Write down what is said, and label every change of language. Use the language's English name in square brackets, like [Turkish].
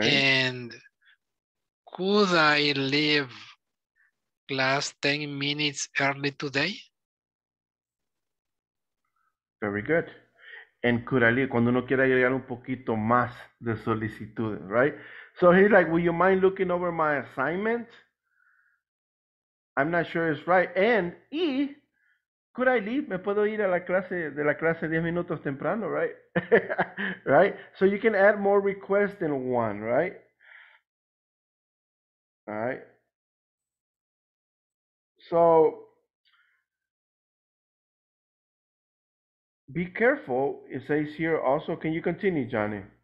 [English] And could I leave class 10 minutes early today? Very good. And could I leave, [Spanish] cuando uno quiere agregar un poquito más de solicitud, right? [English] So he's like, would you mind looking over my assignment? I'm not sure it's right. And, y, could I leave? [Spanish] Me puedo ir a la clase, de la clase 10 minutos temprano, right? [English] Right? So you can add more requests than one, right? All right. So, be careful. It says here also, can you continue, Johnny?